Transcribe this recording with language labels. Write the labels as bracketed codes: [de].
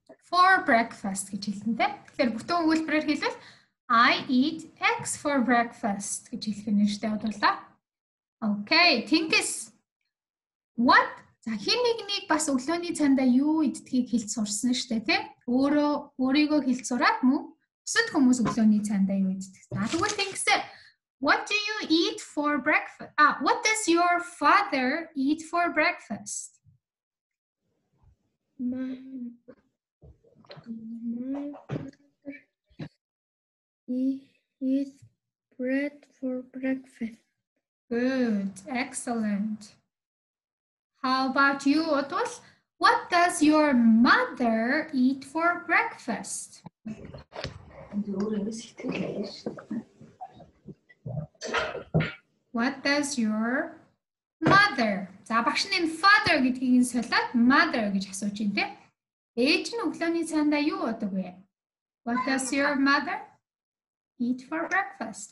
[en] For breakfast [mn] гэж хэлсэн тийм. Тэгэхээр бүтэн өгүүлбэрээр хэлвэл [en] I eat eggs for breakfast [mn] гэж хэлэх нэрштэй бодлоо. [en] Okay, Tinkus. What? [mn] За хин нэг нэг бас өглөөний цайндаа юу иддгийг хэлж сурсан шүү дээ, тийм? Өөрийгөө хэлж сураад мөн бусад хүмүүс өглөөний цайндаа юу иддэг? За тэгвэл [en] Tinkus, what do you eat for breakfast? What does your father eat for breakfast? My father eats bread for breakfast. Good, excellent. How about you, Otos? What does your mother eat for breakfast? What does your mother? [mn] За багш нь father гэдгийг нь солиод mother гэж асууж байна, тийм? Ээж нь өглөөний цайндаа юу уудаг вэ? [en] What does your mother eat for breakfast?